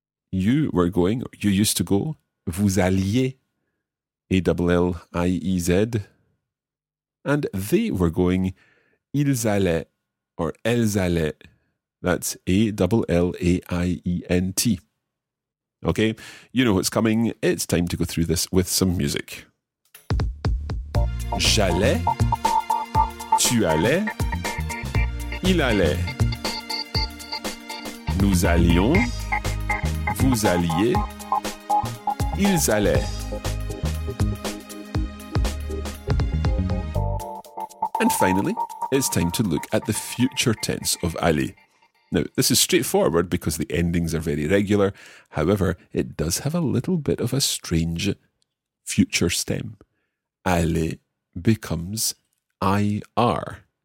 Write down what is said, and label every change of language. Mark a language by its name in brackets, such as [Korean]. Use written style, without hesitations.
[English] You were going, you used to go, [French] vous alliez, [English] A-L-L-I-E-Z. And they were going, [French] ils allaient, [English] or [French] elles allaient, [English] that's A-L-L-A-I-E-N-T. Okay, you know what's coming, it's time to go through this with some music. [French] J'allais, tu allais, il allait, nous allions, vous alliez, ils allaient. [English] And finally, it's time to look at the future tense of aller. Now, this is straightforward because the endings are very regular. However, it does have a little bit of a strange future stem. Aller becomes IR.